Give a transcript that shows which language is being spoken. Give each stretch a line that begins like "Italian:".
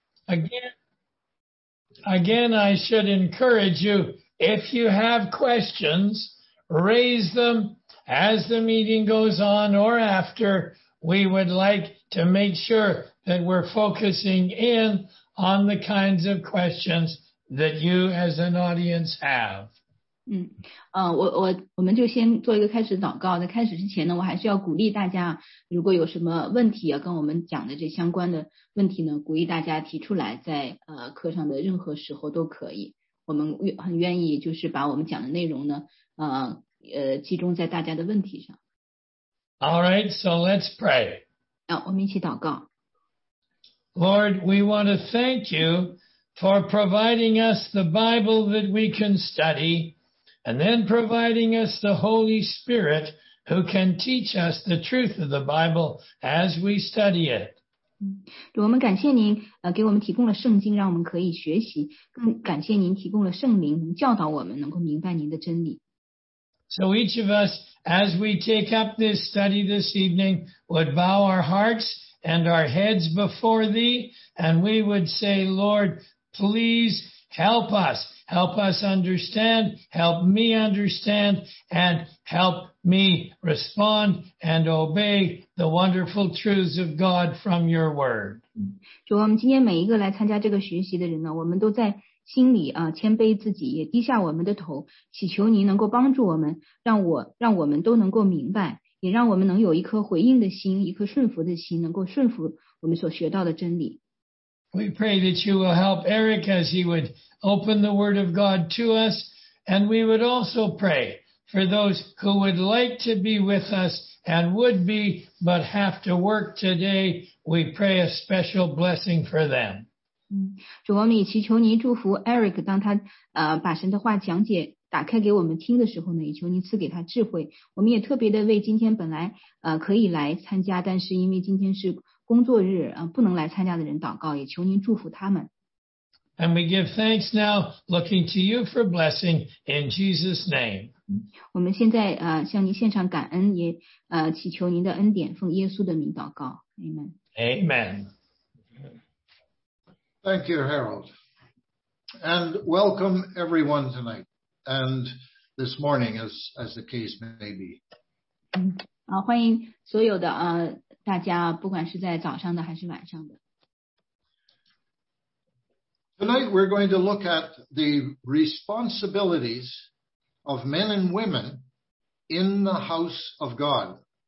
English: Again, I should encourage you, if you have questions, raise them as the meeting goes on or after. We would like to make sure that we're focusing in on the kinds of questions that you as an audience have.
Chinese: 我们就先做一个开始祷告。在开始之前呢，我还是要鼓励大家，如果有什么问题要跟我们讲的这相关的问题呢，鼓励大家提出来，在课上的任何时候都可以。我们很愿意就是把我们讲的内容呢，集中在大家的问题上。
English: All right, so let's pray.
Chinese: 我们一起祷告。
English: Lord, we want to thank you for providing us the Bible that we can study, and then providing us the Holy Spirit who can teach us the truth of the Bible as we study it.
Chinese: 我们感谢您给我们提供了圣经，让我们可以学习，更感谢您提供了圣灵教导我们能够明白您的真理。
English: So each of us, as we take up this study this evening, would bow our hearts and our heads before thee, and we would say, Lord, please help us. Help us understand, help me understand, and help me respond and obey the wonderful truths of God from your word.
Chinese: 主，我们今天每一个来参加这个学习的人呢，我们都在心里啊，谦卑自己，也低下我们的头，祈求您能够帮助我们，让我们都能够明白，也让我们能有一颗回应的心，一颗顺服的心，能够顺服我们所学到的真理。
English: We pray that you will help Eric as he would open the word of God to us, and we would also pray for those who would like to be with us and would be but have to work today. We pray a special blessing for them.
Chinese: 主，我们也祈求您祝福 Eric， 当他把神的话讲解打开给我们听的时候呢，也求您赐给他智慧。我们也特别的为今天本来可以来参加，但是因为今天是工作日不能来参加的人祷告，也求您祝福他们。
English: And we give thanks now, looking to you for blessing in Jesus' name.
Chinese: 我们现在向您献上感恩，也祈求您的恩典，奉耶稣的名祷告。
English: Amen. Amen. Thank you, Harold. And welcome everyone tonight and this morning, as the case may be.
Chinese: 欢迎所有的大家，不管是在早上的还是晚上的。
English: Tonight we're going to look at the responsibilities of men and women in the house of God.